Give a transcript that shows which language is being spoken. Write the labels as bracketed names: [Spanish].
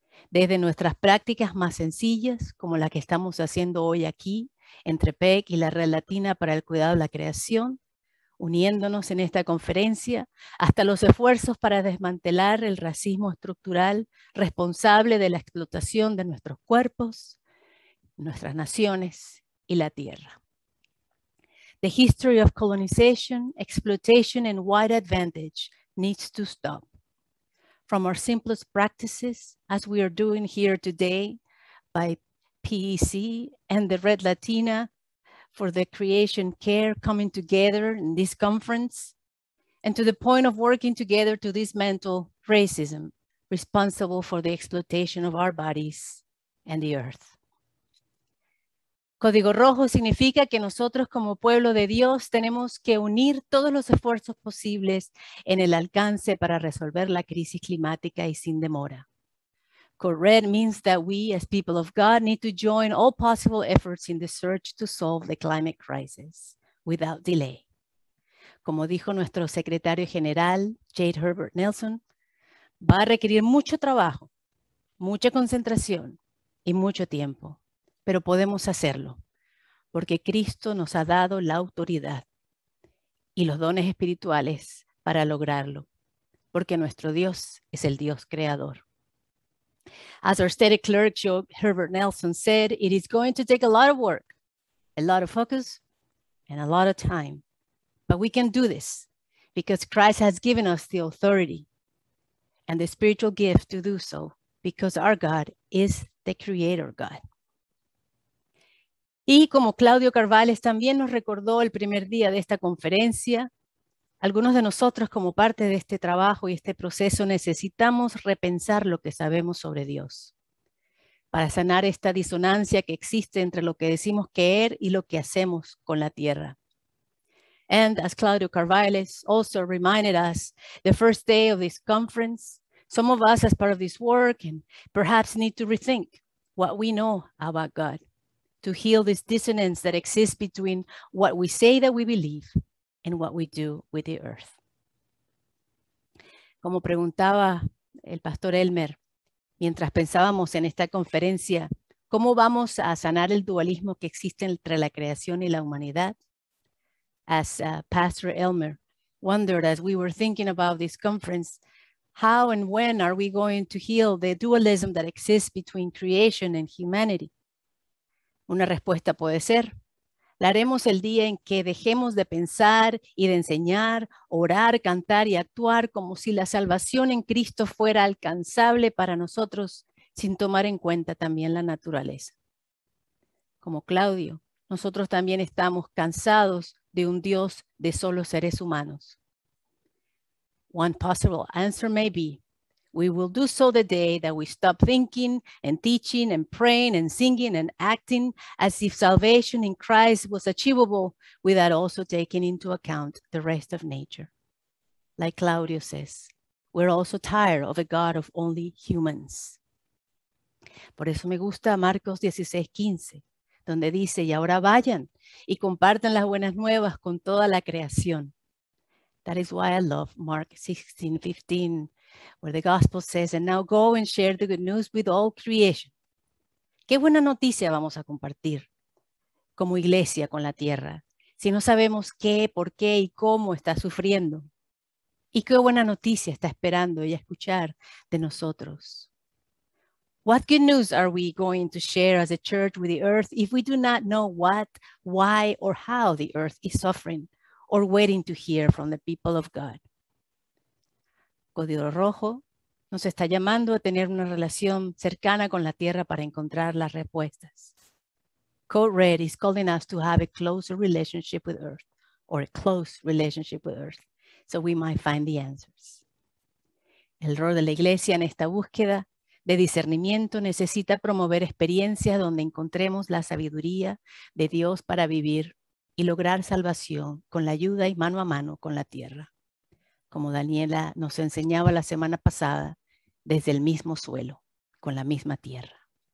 [Spanish] Desde nuestras prácticas más sencillas, como la que estamos haciendo hoy aquí, entre PEC y la Red Latina para el Cuidado de la Creación, uniéndonos en esta conferencia, hasta los esfuerzos para desmantelar el racismo estructural responsable de la explotación de nuestros cuerpos, nuestras naciones y la tierra. [English] The history of colonization, exploitation, and white advantage needs to stop. From our simplest practices, as we are doing here today by PEC and the Red Latina for the creation care coming together in this conference, and to the point of working together to dismantle racism, responsible for the exploitation of our bodies and the earth. [Spanish] Código Rojo significa que nosotros como pueblo de Dios tenemos que unir todos los esfuerzos posibles en el alcance para resolver la crisis climática y sin demora. [English] Code Red means that we as people of God need to join all possible efforts in the search to solve the climate crisis without delay. [Spanish] Como dijo nuestro secretario general, Jade Herbert Nelson, va a requerir mucho trabajo, mucha concentración y mucho tiempo. Pero podemos hacerlo, porque Cristo nos ha dado la autoridad y los dones espirituales para lograrlo, porque nuestro Dios es el Dios creador. [English] As our state clerk, Joe Herbert Nelson, said, it is going to take a lot of work, a lot of focus, and a lot of time. But we can do this because Christ has given us the authority and the spiritual gift to do so because our God is the creator God. [Spanish] Y como Claudio Carvales también nos recordó el primer día de esta conferencia, algunos de nosotros como parte de este trabajo y este proceso necesitamos repensar lo que sabemos sobre Dios para sanar esta disonancia que existe entre lo que decimos creer y lo que hacemos con la tierra. [English] And as Claudio Carvales also reminded us, the first day of this conference, some of us as part of this work and perhaps need to rethink what we know about God to heal this dissonance that exists between what we say that we believe and what we do with the earth. [Spanish] Como preguntaba el pastor Elmer, mientras pensábamos en esta conferencia, ¿cómo vamos a sanar el dualismo que existe entre la creación y la humanidad? [English] As Pastor Elmer wondered as we were thinking about this conference, how and when are we going to heal the dualism that exists between creation and humanity? [Spanish] Una respuesta puede ser, la haremos el día en que dejemos de pensar y de enseñar, orar, cantar y actuar como si la salvación en Cristo fuera alcanzable para nosotros sin tomar en cuenta también la naturaleza. Como Claudio, nosotros también estamos cansados de un Dios de solo seres humanos. [English] One possible answer may be, we will do so the day that we stop thinking and teaching and praying and singing and acting as if salvation in Christ was achievable without also taking into account the rest of nature. Like Claudio says, we're also tired of a God of only humans. [Spanish] Por eso me gusta Marcos 16:15, donde dice, y ahora vayan y compartan las buenas nuevas con toda la creación. [English] That is why I love Mark 16:15. Where the gospel says, and now go and share the good news with all creation. [Spanish] ¿Qué buena noticia vamos a compartir como iglesia con la tierra si no sabemos qué, por qué y cómo está sufriendo? ¿Y qué buena noticia está esperando ella escuchar de nosotros? [English] What good news are we going to share as a church with the earth if we do not know what, why, or how the earth is suffering or waiting to hear from the people of God? [Spanish] Código Rojo nos está llamando a tener una relación cercana con la tierra para encontrar las respuestas. [English] Code Red is calling us to have a closer relationship with Earth, or a close relationship with Earth, so we might find the answers. [Spanish] El rol de la iglesia en esta búsqueda de discernimiento necesita promover experiencias donde encontremos la sabiduría de Dios para vivir y lograr salvación con la ayuda y mano a mano con la tierra, como Daniela nos enseñaba la semana pasada, desde el mismo suelo, con la misma tierra.